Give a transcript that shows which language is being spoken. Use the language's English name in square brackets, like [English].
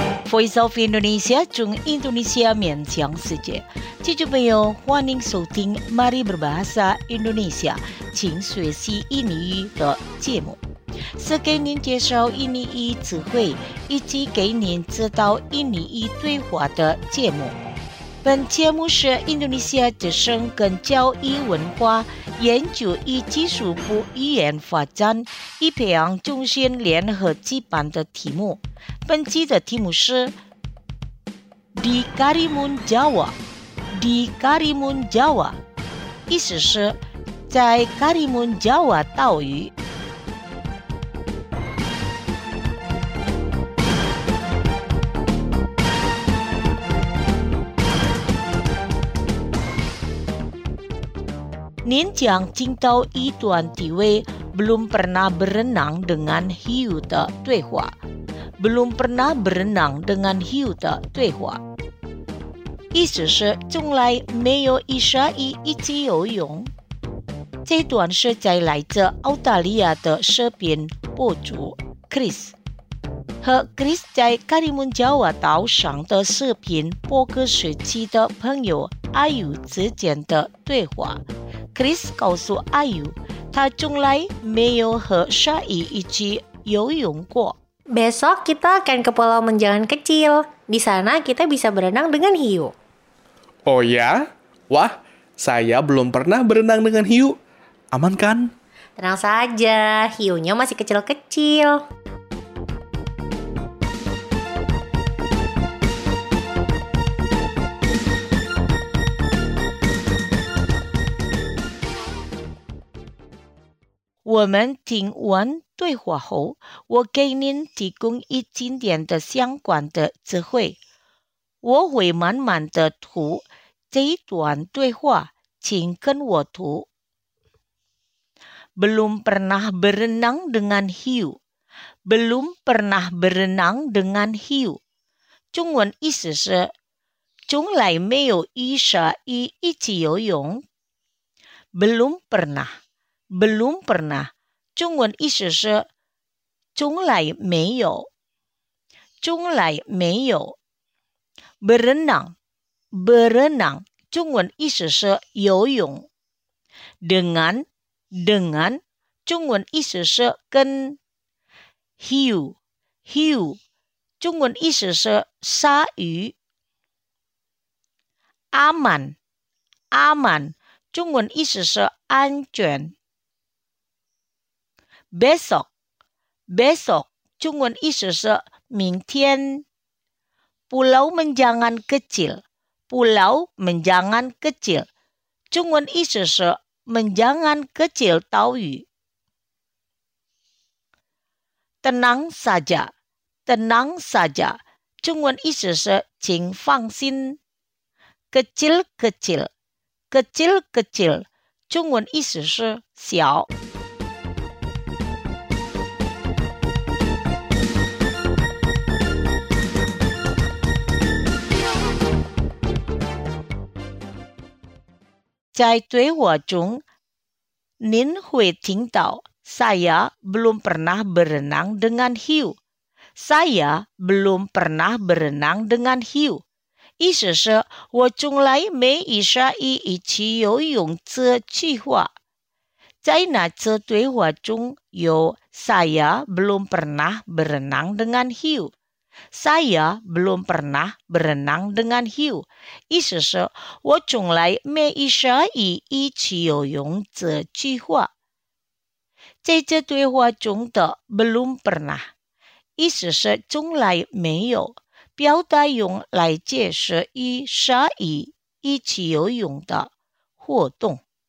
[Chinese] Voice of Indonesia 从印度尼西亚面向世界，记住朋友，欢迎收听 Mari Berbahasa Indonesia， 请学习印尼语的节目，是给您介绍印尼语词汇以及给您指导印尼语对话的节目。本节目是印度尼西亚之声跟教育文化研究与技术部语言发展与培养中心联合举办的题目。本期的题目是 [Indonesian] Di Karimun Jawa， Di Karimun Jawa， [Chinese] 意思是在卡里门加瓦岛屿。您将听到一段几位 [Indonesian] belum pernah berenang dengan hiu [Chinese] 的对话。 [Indonesian] belum pernah berenang dengan hiu [Chinese] 的对话。意思是从来没有一鲨鱼一起游泳。这段是在来自澳大利亚的视频博主 Chris 和 Chris 在卡里门加瓦岛上的视频播客时期的朋友阿尤之间的对话。 Chris 告诉阿尤，他从来没有和鲨鱼一起游泳过。 [Indonesian] Besok kita akan ke Pulau Menjangan Kecil. Di sana kita bisa berenang dengan hiu. Oh ya? Wah, saya belum pernah berenang dengan hiu. Aman kan? Tenang saja, hiunya masih kecil-kecil. [Chinese] Kita 对话后，我给您提供一经典的相关的词汇。我会慢慢的读这一段对话，请跟我读。 [Indonesian] Belum pernah berenang dengan hiu. Belum pernah berenang dengan hiu. [Chinese] 中文意思是，从来没有与鲨鱼一起游泳。 [Indonesian] Belum pernah. Belum pernah. [Chinese] 中文意思是从来没有，从来没有。 [Indonesian] berenang, berenang, [Chinese] 中文意思是游泳。 [Indonesian] dengan, dengan, [Chinese] 中文意思是跟。 [Indonesian] hiu, hiu, [Chinese] 中文意思是鲨鱼。 [Indonesian] aman, aman, [Chinese] 中文意思是安全。 [Indonesian] Besok, besok, [Chinese] 中文意思是明天。 Pulau Menjangan Kecil, Pulau Menjangan Kecil, 中文意思是Menjangan Kecil 岛屿。 [Indonesian] Tenang saja, tenang saja, [Chinese] 中文意思是请放心。 [Indonesian] Kecil, kecil, kecil, kecil, [Chinese] 中文意思是小。在对话中，您会听到 [Indonesian] saya belum pernah berenang dengan hiu. Saya belum pernah berenang dengan hiu. [Chinese] 意思是我从来没与鲨鱼一起游泳这句话。在那次对话中有 [Indonesian] saya belum pernah berenang dengan hiu. Saya belum pernah berenang dengan hiu. [Chinese] 意思是我从来没与鲨鱼一起游泳这句话。在这对话中的 [Indonesian] belum pernah, [Chinese] 意思是从来没有，表达用来解释与鲨鱼一起游泳的活动。